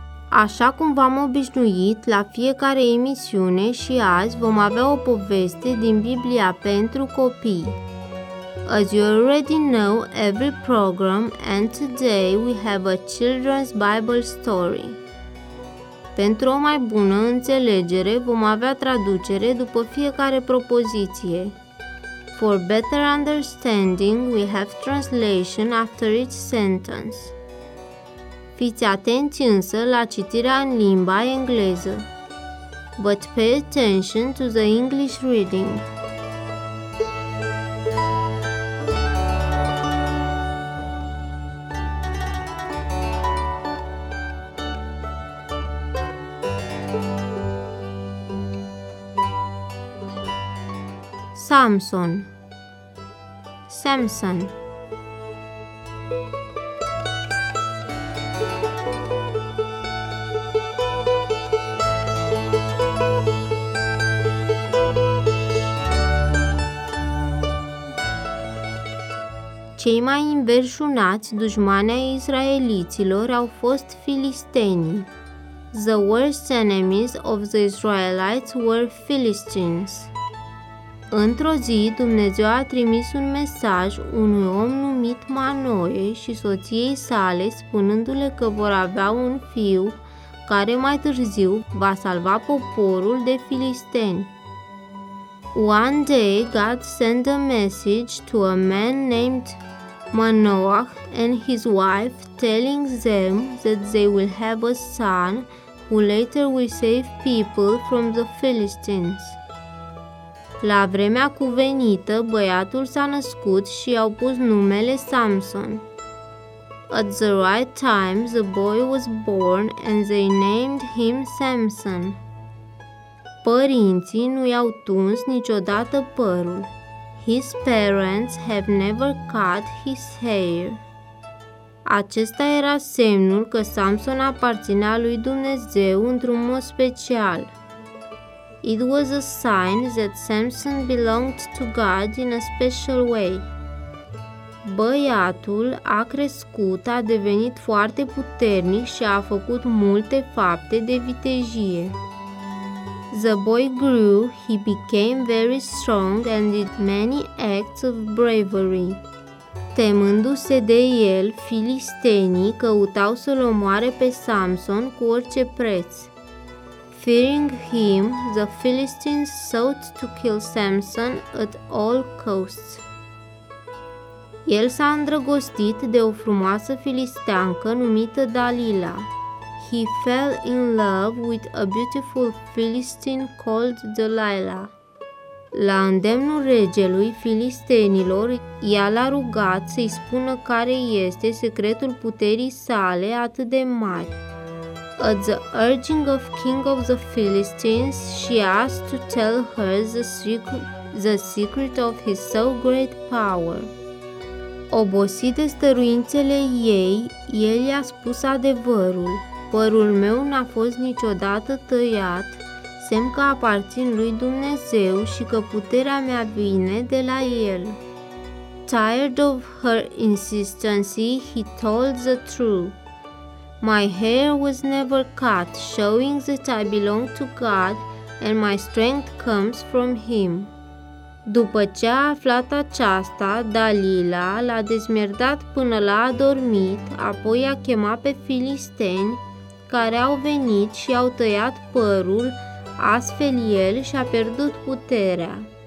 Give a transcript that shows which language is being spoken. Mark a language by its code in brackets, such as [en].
[ro] Așa cum v-am obișnuit la fiecare emisiune, și azi vom avea o poveste din Biblia pentru copii. [en] As you already know, every program and today we have a children's Bible story. [ro] Pentru o mai bună înțelegere, vom avea traducere după fiecare propoziție. [en] For better understanding, we have translation after each sentence. [ro] Fiți atenți însă la citirea în limba engleză. [en] But pay attention to the English reading. [ro] Samson. Cei mai înverșunați dușmani ai israeliților au fost filistenii. [en] The worst enemies of the Israelites were Philistines. [ro] Într-o zi, Dumnezeu a trimis un mesaj unui om numit Manoe și soției sale, spunându-le că vor avea un fiu care mai târziu va salva poporul de filisteni. [en] One day, God sent a message to a man named Manoah and his wife, telling them that they will have a son who later will save people from the Philistines. [ro] La vremea cuvenită, băiatul s-a născut și i-au pus numele Samson. [en] At the right time, the boy was born and they named him Samson. [ro] Părinții nu i-au tuns niciodată părul. [en] His parents have never cut his hair. [ro] Acesta era semnul că Samson aparținea lui Dumnezeu într-un mod special. [en] It was a sign that Samson belonged to God in a special way. [ro] Băiatul a crescut, a devenit foarte puternic și a făcut multe fapte de vitejie. [en] The boy grew, he became very strong and did many acts of bravery. [ro] Temându-se de el, filistenii căutau să-l omoare pe Samson cu orice preț. [en] Fearing him, the Philistines sought to kill Samson at all costs. [ro] El s-a îndrăgostit de o frumoasă filisteancă numită Dalila. [en] He fell in love with a beautiful Philistine called Delilah. [ro] La îndemnul regelui filistenilor, ea l-a rugat să-i spună care este secretul puterii sale atât de mari. [en] At the urging of King of the Philistines, she asked to tell her the secret of his so great power. [ro] Obosit de stăruințele ei, el i-a spus adevărul. Părul meu n-a fost niciodată tăiat, semn că aparțin lui Dumnezeu și că puterea mea vine de la el. [en] Tired of her insistency, he told the truth. My hair was never cut, showing that I belong to God and my strength comes from him. [ro] După ce a aflat aceasta, Dalila l-a dezmierdat până l-a adormit, apoi a chemat pe filisteni care au venit și au tăiat părul, astfel el și-a pierdut puterea.